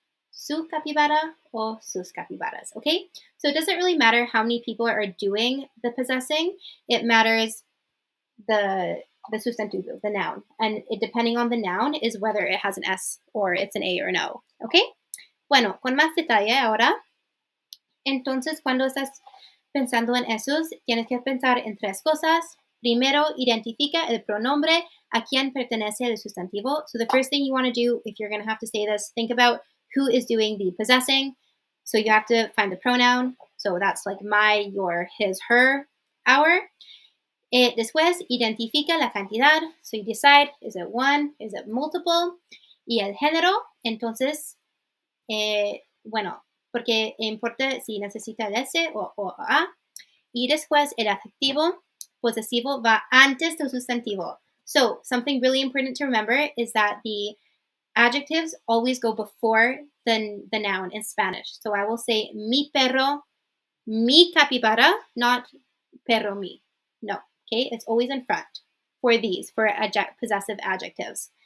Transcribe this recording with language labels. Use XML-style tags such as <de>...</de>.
<es>Su capibara o sus capibaras, okay?</es> <en>So it doesn't really matter how many people are doing the possessing. It matters the sustantivo, the noun. And it, depending on the noun, is whether it has an S or it's an A or an O.</en> <es>Okay? Bueno, con más detalle ahora. Entonces, cuando estás pensando en esos, tienes que pensar en tres cosas. Primero, identifica el pronombre a quien pertenece el sustantivo.</es> <en>So the first thing you want to do, if you're going to have to say this, think about who is doing the possessing. So you have to find the pronoun. So that's like my, your, his, her, our.</en> <es>Después, identifica la cantidad.</es> <en>So you decide, is it one, is it multiple?</en> <es>Y el género, entonces, bueno, porque importa si necesita el S o A. Y después, el adjetivo posesivo va antes del sustantivo.</es> <en>So, something really important to remember is that the adjectives always go before the noun in Spanish. So I will say</en> <es>mi perro, mi capibara,</es> <en>not</en> <es>perro mi,</es> <en>no. Okay, it's always in front for these, for possessive adjectives.</en>